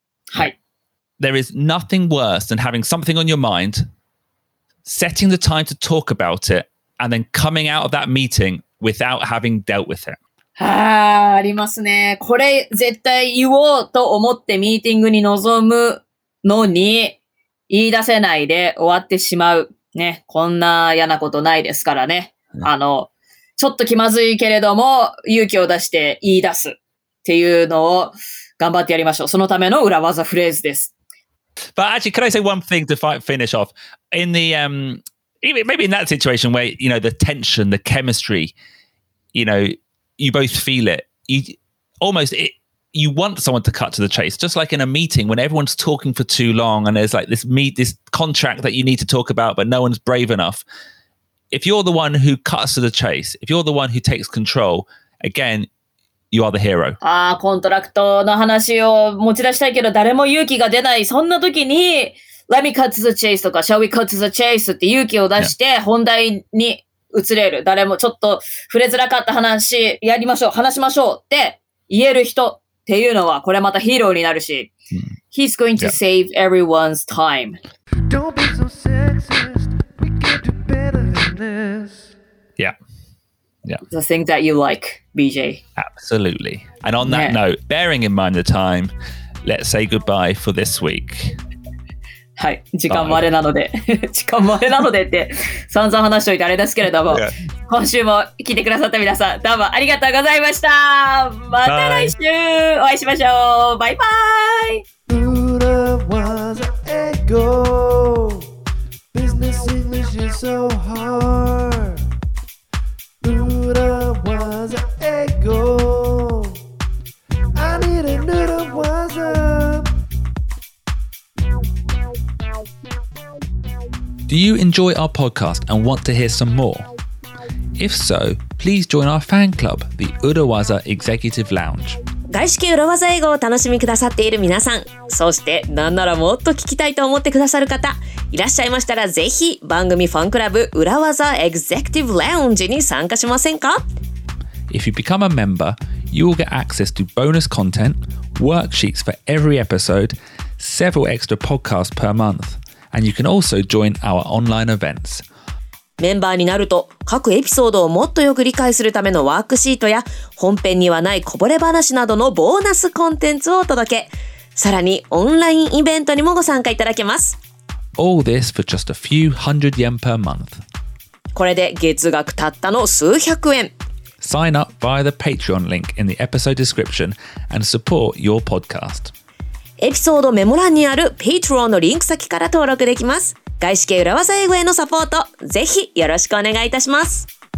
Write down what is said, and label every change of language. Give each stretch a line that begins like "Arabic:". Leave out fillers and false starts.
Japanese: はい。
English: There is nothing worse than having something on your mind, setting the time to talk about it, and then coming out of that meeting. Without having dealt with it.
Japanese: ありますね。これ絶対言おうと思ってミーティングに臨むのに言い出せないで終わってしまう。ね。こんな嫌なことないですからね。 Yeah. あの、ちょっと気まずいけれども勇気を出して言い出すっていうのを頑張ってやりましょう。そのための裏技フレーズです。
English: But actually, can I say one thing to finish off? In the, Maybe in that situation where, you know, the tension, the chemistry, you know, you both feel it. You want someone to cut to the chase. Just like in a meeting when everyone's talking for too long and there's like this contract that you need to talk about, but no one's brave enough. If you're the one who cuts to the chase, if you're the one who takes control, again, you are the hero.
Japanese: Ah, コントラクトの話を持ち出したいけど誰も勇気が出ない。そんな時に、
English: Let me cut to the chase
Japanese: とか
English: Shall we cut to the chase
Japanese: って勇気を出して本題に移れる、yeah. 誰もちょっと触れづらかった話やりましょう話しましょうって言える人っていうのはこれまたヒーローになるし、mm.
English: He's going to、
Japanese: yeah.
English: save everyone's time Don't be so sexist We can do better than this yeah. yeah The thing that you like, BJ Absolutely And on that、yeah. note Bearing in mind the time Let's say goodbye for this week
Japanese: はい、時間もあれなので、時間もあれなのでって散々話しておいてあれですけれども、yeah. 今週も聞いてくださった皆さん、どうもありがとうございました。また来週、Bye. お会いしましょう。バイバイ。
English: Bye. Do you enjoy our podcast and want to hear some more? If so, please join our fan club, the Urawaza Executive Lounge.
Japanese: 外資系裏技英語を楽しみくださっている皆さん、そしてなんならもっと聞きたいと思ってくださる方、いらっしゃいましたらぜひ番組ファンクラブ裏技 Executive Lounge に参加しませんか?
English: If you become a member, you will get access to bonus content, worksheets for every episode, several extra podcasts per month, and you can also join our online events.
Japanese: メンバーになると各エピソードをもっとよく理解するためのワークシートや本編にはないこぼれ話などのボーナスコンテンツをお届け、さらにオンラインイベントにもご参加いただけます。
English: All this for just a few hundred yen per month.
Japanese: これで月額たったの数百円。
English: Sign up via the Patreon link in the episode description and support your podcast.
Japanese: エピソードメモ欄にある Patreon のリンク先から登録できます。外資系裏技英語へのサポート、ぜひよろしくお願いいたします。